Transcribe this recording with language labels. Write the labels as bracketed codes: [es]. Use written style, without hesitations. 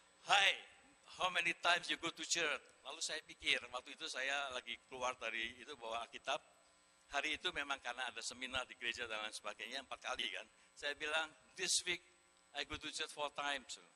[en] Hi, how many times you go to church? [id] Lalu saya pikir, waktu itu saya lagi keluar dari itu bawa Alkitab. Hari itu memang karena ada seminar di gereja dan lain sebagainya, 4 kali kan. [en] Saya bilang, this week I go to church 4 times.